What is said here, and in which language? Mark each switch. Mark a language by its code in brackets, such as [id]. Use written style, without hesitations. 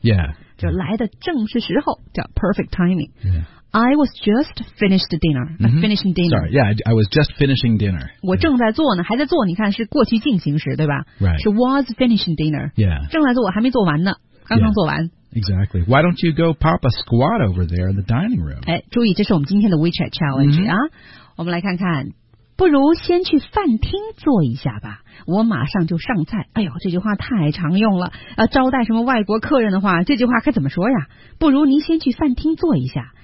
[en] Yeah. [zh] 就来的正是时候叫 [en] perfect timing. Yeah. I was just finished dinner.、Mm-hmm. Finishing dinner. Sorry, yeah, I was just finishing dinner. [zh] 我正在做呢，还在做。你看是过去进行时，对吧？ [en] Right. 是 was finishing dinner. Yeah. [zh] 正在做，我还没做完呢，刚刚做完。 [en] Yeah. Exactly. Why don't you go pop a squat over there in the dining room? [zh] 哎，注意，这是我们今天的 [en] WeChat challenge、 [zh] mm-hmm. 啊。我们来看看，不如先去饭厅坐一下吧。我马上就上菜。哎呦，这句话太常用了。招待什么外国客人的话，这句话该怎么说呀？不如您先去饭厅坐一下。